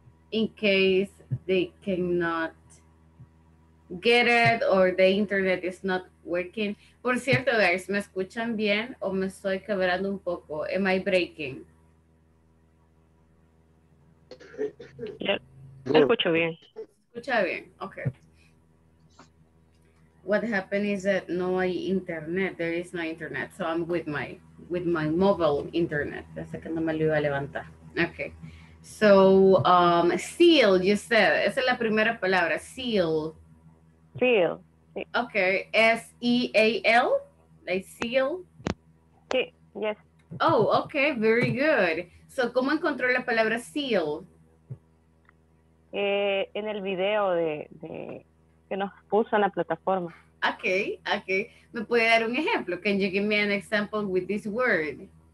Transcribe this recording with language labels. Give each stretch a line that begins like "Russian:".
English: In case they cannot get it or the internet is not working.
Spanish: Por cierto, guys, ¿me escuchan bien o me estoy quebrando un poco?
English: Am I breaking?
Spanish: Escucho bien. Escucha bien, okay.
English: What happened is that
Spanish: no hay internet.
English: There is no internet. So I'm with my mobile internet.
Spanish: Pensé que no me lo iba a levantar.
English: Okay. So seal, you said.
Spanish: Esa es la primera palabra. Seal.
English: Seal. Okay. S E A L. Like seal.
Spanish: Sí.
English: Yes. Oh, okay. Very good. So,
Spanish: ¿cómo encontró la palabra
English: seal?
Spanish: En el video de que nos puso en la plataforma. Okay, okay. ¿Me puede dar un ejemplo?
English: Can you give me an example with this word?